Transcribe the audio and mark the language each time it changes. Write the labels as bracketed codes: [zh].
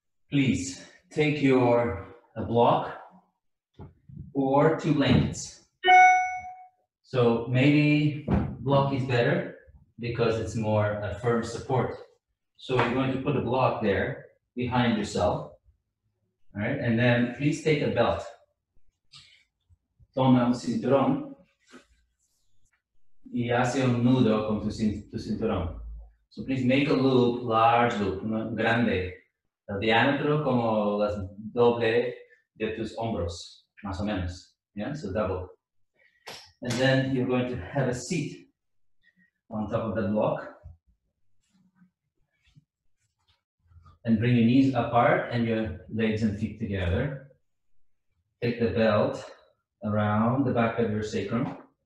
[en] Please take a block or two blankets. So maybe block is better because it's more a firm support. So you're going to put a block there behind yourself. All right, and then please take a belt. [es] Toma un cinturón y hace un nudo con tu cinturón. [en] So please make a loop, large loop, [es] grande. El diámetro como las doble de tus hombros, más o menos. [en] Yeah, so double. And then you're going to have a seat on top of the block. And bring your knees apart and your legs and feet together. Take the belt around the back of your sacrum.